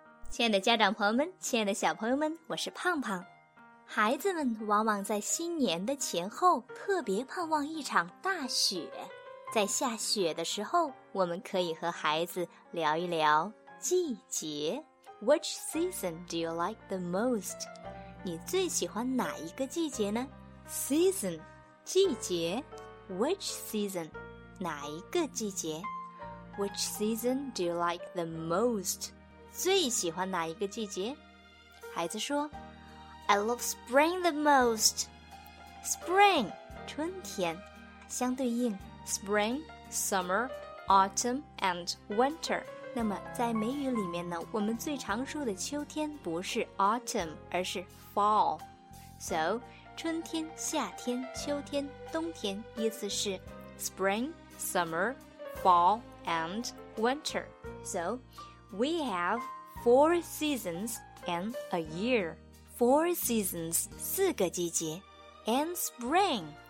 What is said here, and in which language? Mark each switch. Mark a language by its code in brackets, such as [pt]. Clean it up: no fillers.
[zh] 亲爱的家长朋友们，亲爱的小朋友们，我是胖胖。孩子们往往在新年的前后特别盼望一场大雪。在下雪的时候，我们可以和孩子聊一聊季节。 [en] Which season do you like the most? [zh] 你最喜欢哪一个季节呢？Season 季节， Which season 哪一个季节？ [en] Which season do you like the most? [zh] 最喜欢哪一个季节？孩子说， [en] I love spring the most. Spring [zh] 春天，相对应 [en] Spring, summer, autumn, and winter. [zh] 那么在美语里面呢，我们最常说的秋天不是 autumn, 而是 fall. So, 春天、夏天、秋天、冬天意思是 [en] spring, summer, fall, and winter. So, we have four seasons in a year. Four seasons, [zh] 四个季节 [en] and spring.